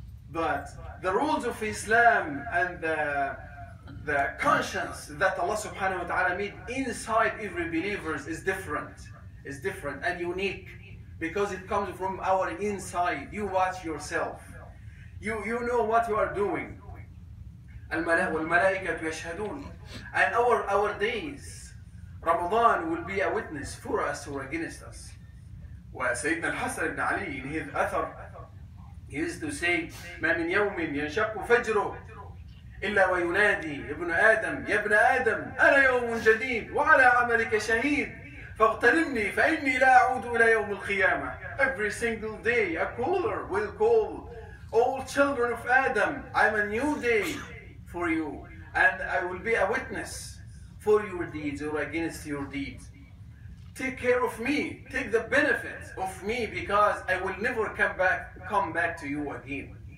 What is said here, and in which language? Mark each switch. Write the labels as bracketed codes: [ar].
[en] But the rules of Islam and the conscience that Allah subhanahu wa ta'ala made inside every believer is different and unique, because it comes from our inside. You watch yourself. You know what you are doing. [ar] والملائكة يشهدون. [en] And our days, Ramadan will be a witness for us or against us. [ar] وسيدنا الحسن بن علي [en] in his [ar] أثر, [en] he used to say, [ar] ما من يوم ينشق فجره إلا وينادي ابن آدم يا ابن آدم أنا يوم جديد وعلى عملك شهيد فاغتنمني فإني لا أعود إلى يوم القيامة. [en] Every single day a caller will call, all children of Adam, I'm a new day for you and I will be a witness for your deeds or against your deeds. Take care of me, take the benefits of me because I will never come back to you again.